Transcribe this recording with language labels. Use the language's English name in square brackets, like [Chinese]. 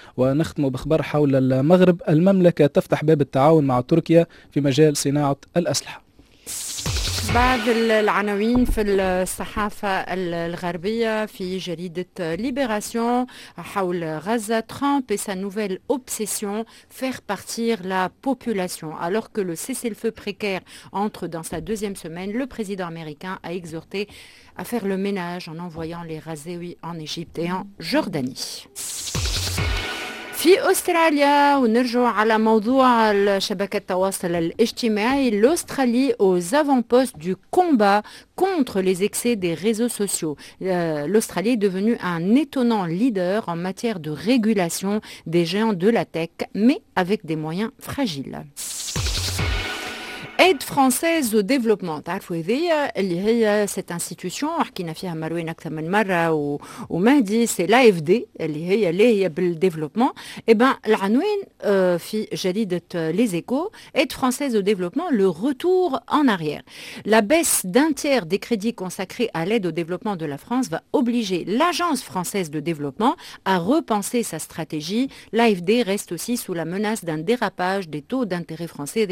[Arabic] ونختم بخبر حول المغرب، المملكة تفتح باب التعاون مع تركيا في مجال صناعة الأسلحة. بعض العناوين في الصحافة الغربية في جريدة ليبراسيون حول غزة، ترامب [French] et sa nouvelle obsession faire partir la population. Alors que le cessez-le-feu précaire entre dans sa deuxième semaine, le président américain a exhorté à faire le ménage en envoyant les Razéouis en Égypte et en Jordanie. [Arabic] في أستراليا، ونرجع على موضوع شبكة التواصل الاجتماعي، الأسترالي [French] aux avant-postes du combat contre les excès des réseaux sociaux. L'Australie est devenue un étonnant leader en matière de régulation des géants de la tech, mais avec des moyens fragiles. Aide française au développement. [Arabic] تعرفوا اللي هي [French] cette institution qui n'a fait marouin [Arabic] اكثر من مره و مهدي، [French] c'est l'AFD [Arabic] اللي هي اللي هي بالديفلوبمون. [French] et ben [Arabic] العنوان في جريده [French] les échos، aide française au développement le retour en arrière. La baisse d'un tiers des crédits consacrés à l'aide au développement de la France va obliger l'agence française de développement à repenser sa stratégie. L'AFD reste aussi sous la menace d'un dérapage des taux d'intérêt français.